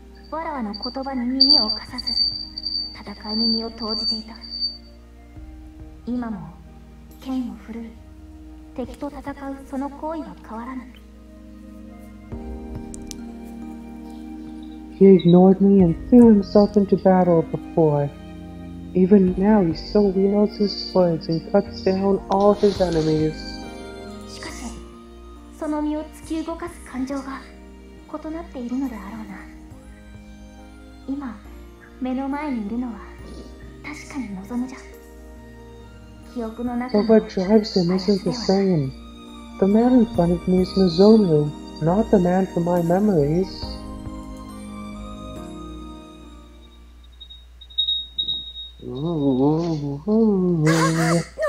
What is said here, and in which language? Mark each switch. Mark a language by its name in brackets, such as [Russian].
[Japanese] わらわの言葉に耳を貸さず、戦いに身を投じていた。今も剣を振るう、敵と戦うその行為は変わらない。 [English] He ignored me and threw himself into battle before. Even now he still wields his swords and cuts down all his enemies. [Japanese] しかし、その身を突き動かす感情が異なっているのであろうな。今、目の前にいるのは確かに望むじゃ。 [English] But what drives him isn't the same. The man in front of me is Nozomu, not the man from my memories. Nozomu!